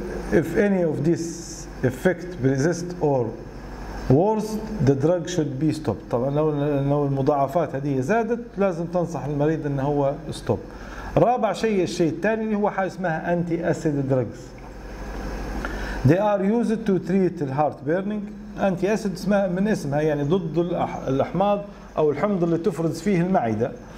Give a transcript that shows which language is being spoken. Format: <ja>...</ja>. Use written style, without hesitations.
<en>If any of this effect persist or worst, the drug should be stopped.</en> <ar>طبعا لو المضاعفات هذه زادت لازم تنصح المريض ان هو stop. رابع شيء، الشيء الثاني اللي هو حاجة اسمها anti-acid drugs.</ar> <en>They are used to treat the heart burning.</en> <ar>Anti-acid اسمها من اسمها يعني ضد الأحماض أو الحمض اللي تفرز فيه المعدة.</ar>